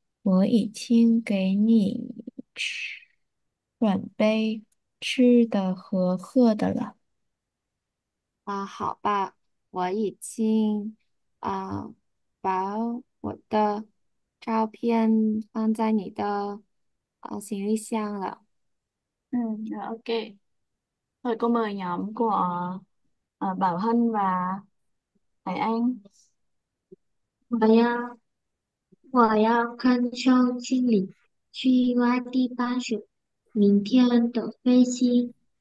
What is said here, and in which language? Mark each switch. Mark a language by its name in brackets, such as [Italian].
[Chinese] 我已经给你吃，准备吃的和喝的了。啊，好吧，我已经。把我的照片放在你的行李箱了。 [English] OK. [Vietnamese] Rồi cô mời nhóm của Bảo Hân và Hải Anh. [Chinese] Và要 control 经理去外地办事，明天的飞机。